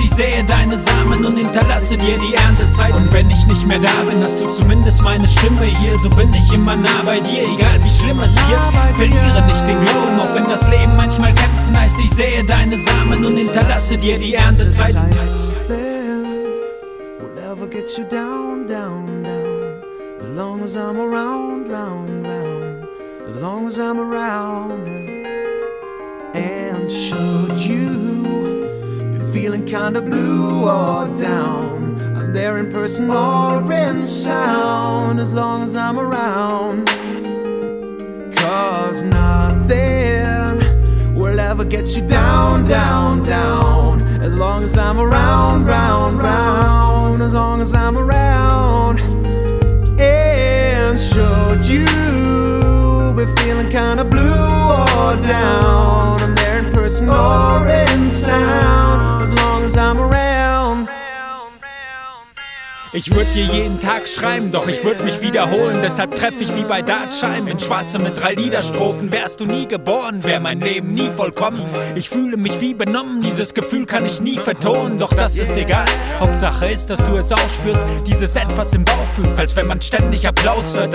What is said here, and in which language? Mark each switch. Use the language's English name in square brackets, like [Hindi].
[German] Ich sehe deine Samen und hinterlasse dir die Erntezeit. Und wenn ich nicht mehr da bin, hast du zumindest meine Stimme hier. So bin ich immer nah bei dir, egal wie schlimm es wird. Verliere nicht den Glauben, auch wenn das Leben manchmal kämpfen heißt. Ich sehe deine Samen und hinterlasse dir die Erntezeit. [English] We'll never get you down, down, down. As long as I'm around, round, round. As long as I'm around. And should you be feeling kinda blue or down, I'm there in person or in sound. As long as I'm around. Cause nothing will ever get you down, down, down. As long as I'm around, round, round. As long as I'm around. And should you be feeling kinda blue or down, I'm there in person or in sound. As long as I'm around. [German] Ich würd dir jeden Tag schreiben, doch ich würd mich wiederholen. Deshalb treff ich wie bei Dartscheiben in Schwarze mit drei Liederstrophen. Wärst du nie geboren, wär mein Leben nie vollkommen. Ich fühle mich wie benommen, dieses Gefühl kann ich nie vertonen. Doch das ist egal, Hauptsache ist, dass du es auch spürst. Dieses etwas im Bauch fühlst, als wenn man ständig Applaus hört.